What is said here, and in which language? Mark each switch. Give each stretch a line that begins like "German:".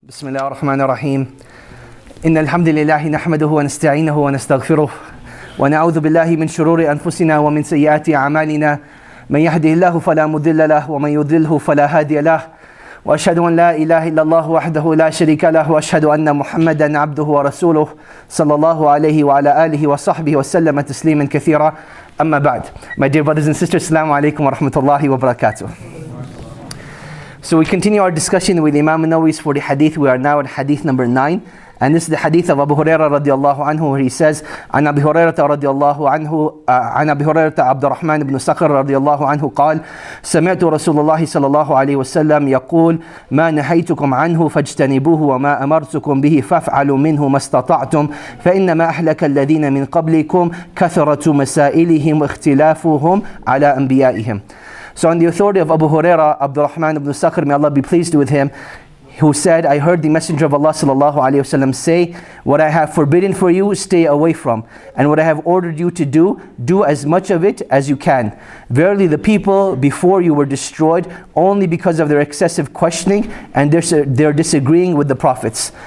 Arabic: بسم الله الرحمن الرحيم إن الحمد لله نحمده ونستعينه ونستغفره ونعوذ بالله من شرور أنفسنا ومن سيئات أعمالنا من يهده الله فلا مضل له ومن يضلله فلا هادي له وأشهد أن لا إله إلا الله وحده لا شريك له وأشهد أن محمدا عبده ورسوله صلى الله عليه وعلى آله وصحبه وسلم تسليما كثيرا أما بعد
English: My dear brothers and sisters,
Arabic: السلام عليكم ورحمة الله وبركاته.
English: So we continue our discussion with Imam Nawawi's 40 hadith. We are now in hadith number 9. And this is the hadith of Abu Huraira radiallahu anhu, where he says,
Arabic: An Abi Hurairata radiallahu anhu, An Abi Hurairata Abdurrahman ibn Sakhr radiallahu anhu, قال, سمعت رسول الله صلى الله عليه وسلم يقول, ما نهيتكم عنه فاجتنبوه وما أمرتكم به فافعلوا منه ما استطعتم فإنما أهلك الذين من قبلكم كثرة مسائلهم واختلافهم على أنبيائهم.
English: So on the authority of Abu Huraira, Abdurrahman ibn Sakhr, may Allah be pleased with him, who said, I heard the Messenger of Allah sallallahu alayhi wa sallam say, what I have forbidden for you, stay away from. And what I have ordered you to do, do as much of it as you can. Verily the people before you were destroyed only because of their excessive questioning and their disagreeing with the prophets.